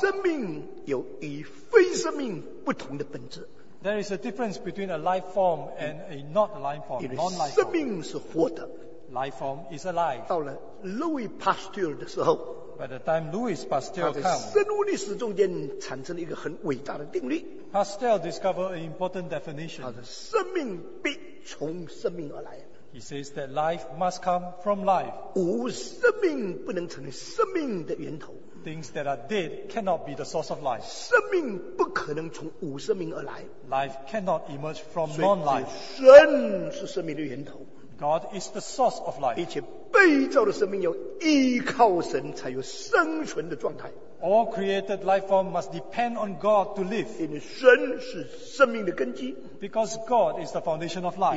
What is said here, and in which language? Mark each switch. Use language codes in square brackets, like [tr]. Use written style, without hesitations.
[zh] 生命有与非生命不同的本质, [en] there is a difference between a life form and a not life form, non-life form. [zh] 生命是活的, [en] life form is alive. [zh] 到了Louis Pasteur的时候, [en] by the time Louis Pasteur comes, [zh] 生物历史中间产生了一个很伟大的定律, [en] Pasteur discovered an important definition. [zh] 生命必从生命而来, [en] he says that life must come from life. [zh] 无生命不能成为生命的源头, [en] things that are dead cannot be the source of life. [zh] 生命不可能从无生命而来, [en] life cannot emerge from non-life. [zh] 神是生命的源头, [en] God is the source of life. [zh] 被造的生命要依靠神才有生存的状态, [en] all created life form must depend on God to live. [zh] 因为神是生命的根基, [en] because God is the foundation of life.